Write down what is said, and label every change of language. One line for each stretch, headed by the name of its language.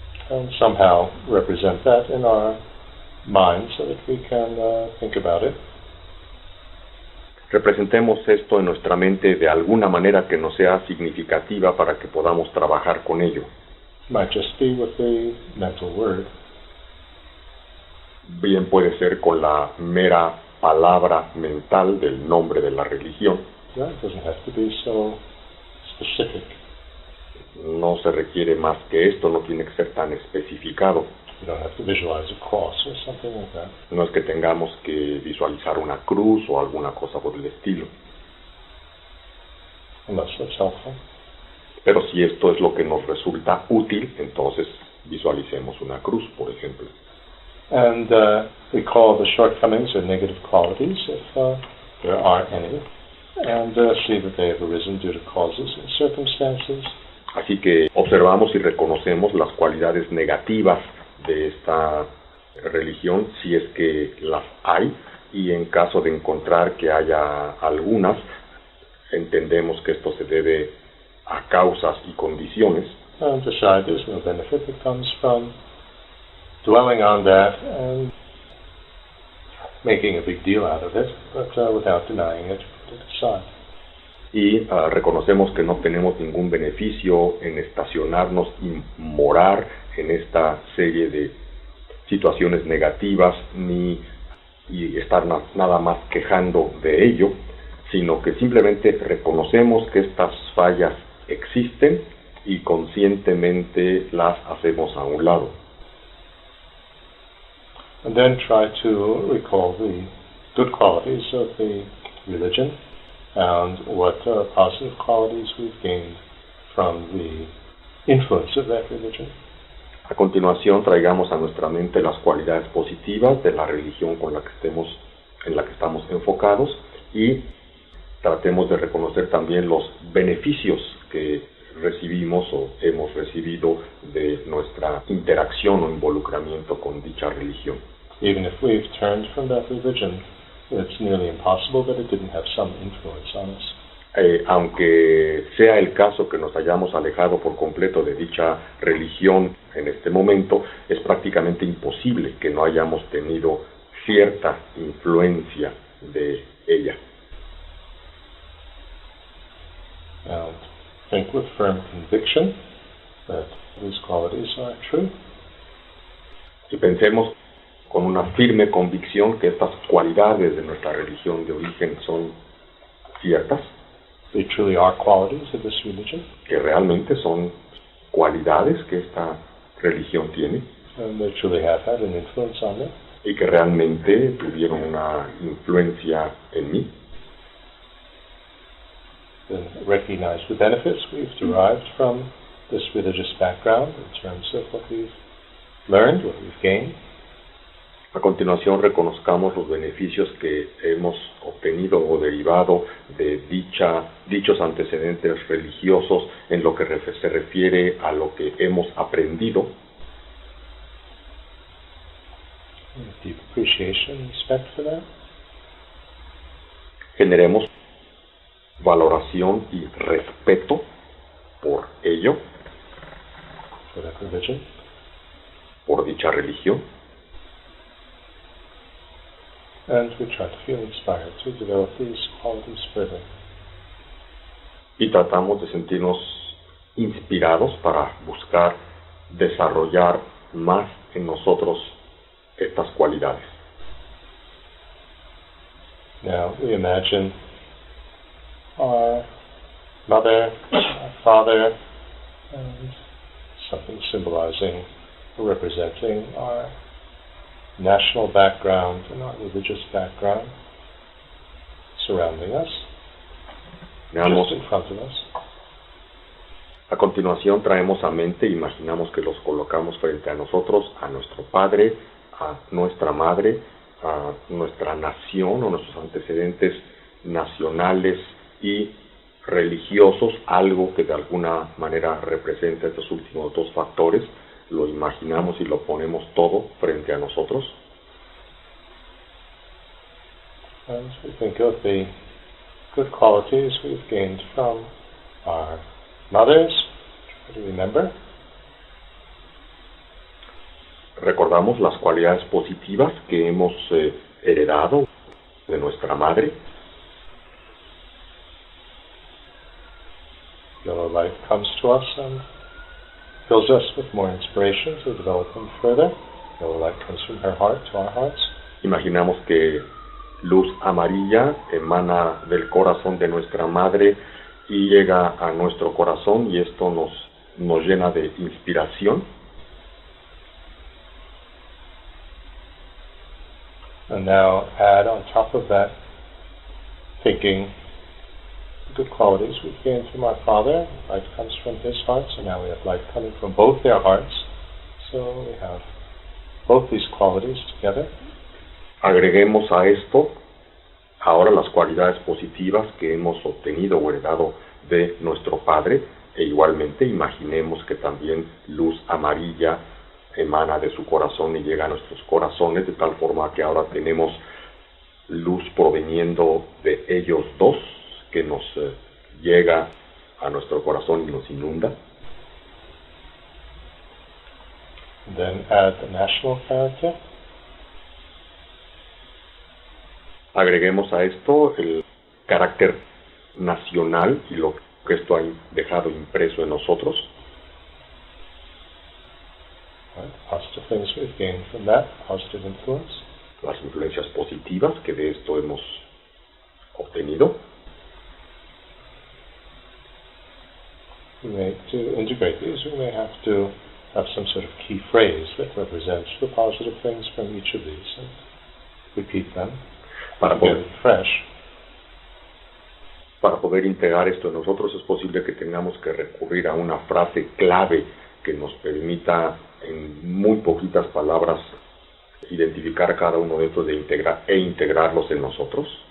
English: And somehow represent that in our mind so that we can think about it.
Spanish: Representemos esto en nuestra mente de alguna manera que nos sea significativa para que podamos trabajar con ello.
English: Might just be with the mental word.
Spanish: Bien puede ser con la mera palabra mental del nombre de la religión.
English: Yeah, it doesn't have to be so specific.
Spanish: No se requiere más que esto, no tiene que ser tan especificado.
English: You don't have to visualize a cross or something like that.
Spanish: No es que tengamos que visualizar una cruz o alguna cosa por el estilo.
English: Unless that's helpful.
Spanish: Pero si esto es lo que nos resulta útil, entonces visualicemos una cruz, por ejemplo.
English: And we call the shortcomings or negative qualities, if there are any, and see that they have arisen due to causes and circumstances.
Spanish: Así que observamos y reconocemos las cualidades negativas de esta religión, si es que las hay, y en caso de encontrar que haya algunas, entendemos que esto se debe a causas y condiciones.
English: And decide there's no benefit that comes from dwelling on that and making a big deal out of it, but without denying it, put it aside.
Spanish: Y reconocemos que no tenemos ningún beneficio en estacionarnos y morar en esta serie de situaciones negativas ni estar nada más quejando de ello, sino que simplemente reconocemos que estas fallas existen y conscientemente las hacemos a un lado.
English: And then try to recall the good qualities of the religion. And what positive qualities we've gained from the influence of that religion.
Spanish: A continuación, traigamos a nuestra mente las cualidades positivas de la religión con la que estamos enfocados, y tratemos de reconocer también los beneficios que recibimos o hemos recibido de nuestra interacción o involucramiento con dicha religión.
English: Even if we've turned from that religion, it's nearly impossible that it didn't have some influence on us.
Spanish: Aunque sea el caso que nos hayamos alejado por completo de dicha religión en este momento, es prácticamente imposible que no hayamos tenido cierta influencia de ella.
English: Now, think with firm conviction that these qualities are true.
Spanish: Y pensemos con una firme convicción que estas cualidades de nuestra religión de origen son ciertas.
English: They truly are qualities of this religion.
Spanish: Que realmente son cualidades que esta religión tiene.
English: And they truly have had an influence on them.
Spanish: Y que realmente tuvieron una influencia en mí.
English: Then recognize the benefits we've derived from this religious background in terms of what we've learned, what we've gained.
Spanish: A continuación, reconozcamos los beneficios que hemos obtenido o derivado de dichos antecedentes religiosos en lo que se refiere a lo que hemos aprendido.
English: Deep appreciation and respect for that.
Spanish: Generemos valoración y respeto por ello.
English: For that religion.
Spanish: Por dicha religión.
English: And we try to feel inspired to develop these qualities further.
Spanish: Y tratamos de sentirnos inspirados para buscar desarrollar más en nosotros estas cualidades.
English: Now we imagine our mother, our father, and something symbolizing or representing our national background and our religious background surrounding us, just in front of us.
Spanish: A continuación traemos a mente, imaginamos que los colocamos frente a nosotros, a nuestro padre, a nuestra madre, a nuestra nación o nuestros antecedentes nacionales y religiosos, algo que de alguna manera representa estos últimos dos factores. Lo imaginamos y lo ponemos todo frente a nosotros.
English: And we think of the good qualities we've gained from our mothers, try to remember.
Spanish: Recordamos las cualidades positivas que hemos heredado de nuestra madre.
English: Your life comes to us and fills us with more inspiration to develop them further. Your light comes from her heart to our hearts.
Spanish: Imaginamos que luz amarilla emana del corazón de nuestra madre y llega a nuestro corazón y esto nos llena de inspiración.
English: And now add on top of that thinking good qualities we gained from our father. Light comes from his heart, so now we have light coming from both their hearts. So we have both these qualities together.
Spanish: Agreguemos a esto ahora las cualidades positivas que hemos obtenido o heredado de nuestro padre, e igualmente imaginemos que también luz amarilla emana de su corazón y llega a nuestros corazones, de tal forma que ahora tenemos luz proveniendo de ellos dos, que nos llega a nuestro corazón y nos inunda.
English: Then add the national character.
Spanish: Agreguemos a esto el carácter nacional y lo que esto ha dejado impreso en nosotros.
English: Positive things we've gained from that, positive influence.
Spanish: Las influencias positivas que de esto hemos obtenido.
English: To integrate these, we may have to have some sort of key phrase that represents the positive things from each of these and repeat them.
Spanish: Para poder integrar esto en nosotros, es posible que tengamos que recurrir a una frase clave que nos permita, en muy poquitas palabras, identificar cada uno de estos e integrarlos en nosotros.